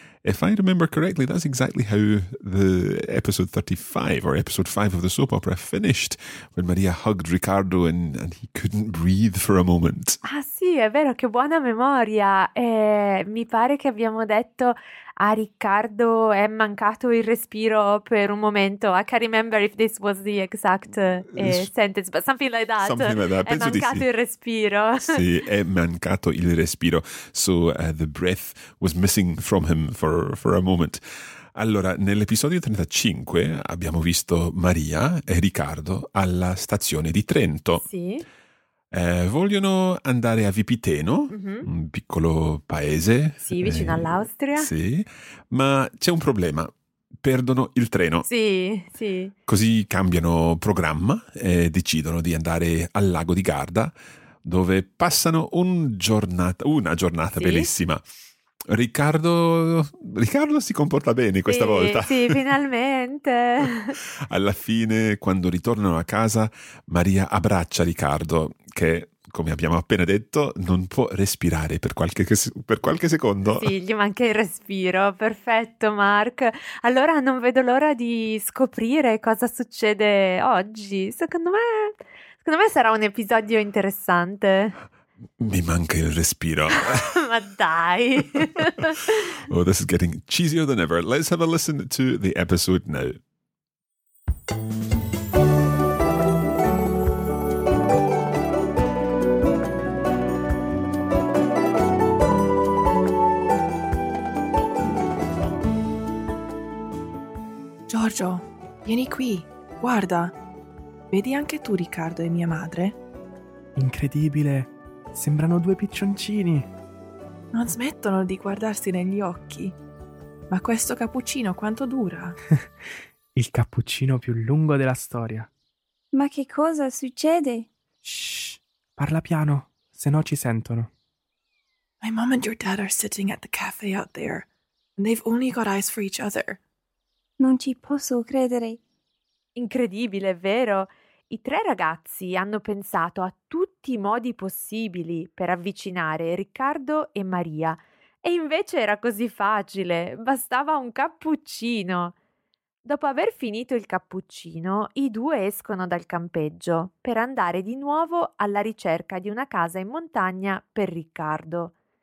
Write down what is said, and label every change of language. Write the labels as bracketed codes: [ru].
[en] If I remember correctly, that's exactly how the episode 35 or episode 5 of the soap opera finished, when Maria hugged Riccardo and he couldn't breathe for a moment. [it] Ah sì, è vero, che buona memoria. Mi pare che abbiamo detto a Riccardo è mancato il respiro per un momento. [en] I can't remember if this was the exact sentence, but something like that. Something like that. [it] È mancato penso di sì. Il respiro. Sì, è mancato il respiro. [en] So the breath was missing from him for a moment. [it] Allora, nell'episodio 35 abbiamo visto Maria e Riccardo alla stazione di Trento. Sì. Vogliono andare a Vipiteno, mm-hmm. un piccolo paese. Sì, vicino all'Austria. Sì, ma c'è un problema. Perdono il treno. Sì, sì. Così cambiano programma e decidono di andare al Lago di Garda, dove passano una giornata sì. Bellissima. Riccardo si comporta bene questa sì, volta. Sì, finalmente. Alla fine, quando ritornano a casa, Maria abbraccia Riccardo, che, come abbiamo appena detto, non può respirare per qualche secondo. Sì, gli manca il respiro. Perfetto, Mark. Allora non vedo l'ora di scoprire cosa succede oggi. Secondo me sarà un episodio interessante. Mi manca il respiro. Ma dai. [en] Oh, this is getting cheesier than ever. Let's have a listen to the episode now. [it] Giorgio, vieni qui. Guarda. Vedi anche tu Riccardo e mia madre? Incredibile. Sembrano due piccioncini. Non smettono di guardarsi negli occhi. Ma questo cappuccino quanto dura? Il cappuccino più lungo della storia. Ma che cosa succede? Shh, parla piano, se no ci sentono. [en] My mom and your dad are sitting at the cafe out there, and they've only got eyes for each other. [it] Non ci posso credere. Incredibile, vero? I tre ragazzi hanno pensato a tutti i modi possibili per avvicinare Riccardo e Maria. E invece era così facile, bastava un cappuccino. Dopo aver finito il cappuccino, i due escono dal campeggio per andare di nuovo alla ricerca di una casa in montagna per Riccardo.